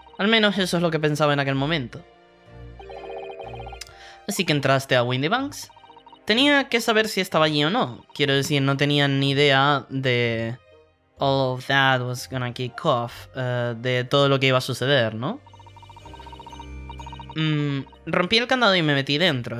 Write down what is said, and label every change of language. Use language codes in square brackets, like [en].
[es] Al menos eso es lo que pensaba en aquel momento. Así que entraste a Windy Banks. Tenía que saber si estaba allí o no. Quiero decir, no tenía ni idea de... [en] All of that was gonna kick off. [es] De todo lo que iba a suceder, ¿no? Rompí el candado y me metí dentro.